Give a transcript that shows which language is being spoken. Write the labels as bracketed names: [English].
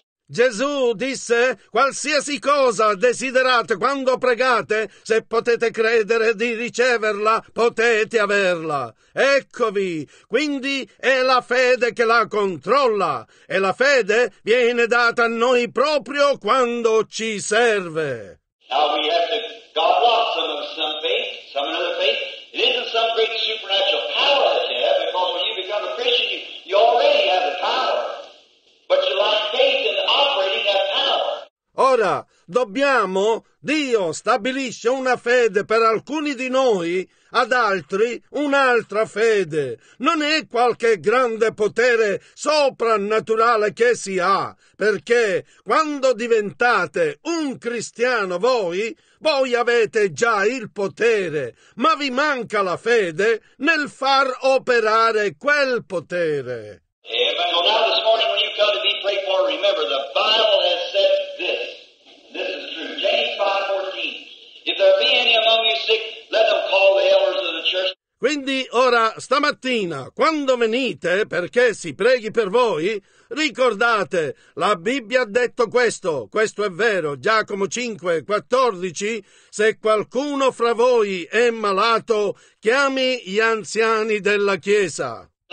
[Italian] Gesù disse, qualsiasi cosa desiderate quando pregate, se potete credere di riceverla, potete averla. Eccovi, quindi è la fede che la controlla, e la fede viene data a noi proprio quando ci serve. [English] Now we have to God lost some faith, some another faith. It isn't some great supernatural power that you have, because when you become a Christian, you already have the power. But you lack faith in operating that power. [Italian] Ora, dobbiamo, Dio stabilisce una fede per alcuni di noi, ad altri un'altra fede. Non è qualche grande potere soprannaturale che si ha, perché quando diventate un cristiano voi avete già il potere, ma vi manca la fede nel far operare quel potere. Amen. [English] Now this morning when you come to be prayed for, remember the Bible has said this. This is true. James 5:14. If there be any among you sick, let them call the elders of the church. [Italian] Quindi ora, stamattina, quando venite, perché si preghi per voi, ricordate, la Bibbia ha detto questo, questo è vero, Giacomo 5:14, se qualcuno fra voi è malato, chiami gli anziani della Chiesa.